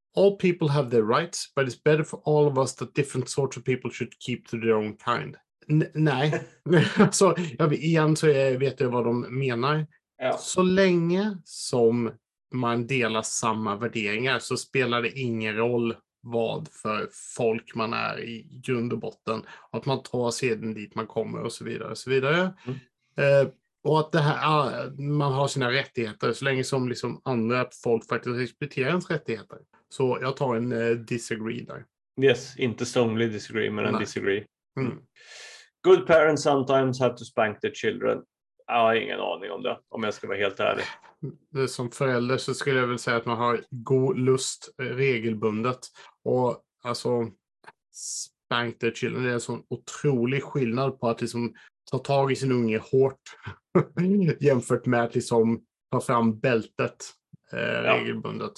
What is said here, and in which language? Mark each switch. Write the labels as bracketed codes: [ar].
[en] All people have their rights, but it's better for all of us that different sorts of people should keep to their own kind. [sv] Nej. Så igen så vet jag vad de menar. Ja. Så länge som man delar samma värderingar så spelar det ingen roll vad för folk man är i grund och botten. Att man tar sedan dit man kommer och så vidare. Och så vidare. Mm. Och att det här, man har sina rättigheter så länge som liksom andra folk faktiskt respekterar ens rättigheter. Så jag tar en disagree där. Yes, inte [en] strongly disagree, [sv] men en disagree. Mm. [en] Good parents sometimes have to spank their children. [sv] Jag har ingen aning om det, om jag ska vara helt ärlig. Som förälder så skulle jag väl säga att man har god lust regelbundet. Och alltså, [en] spank the children, [sv] det är en sån otrolig skillnad på att liksom ta tag i sin unge hårt jämfört med att liksom ta fram bältet regelbundet.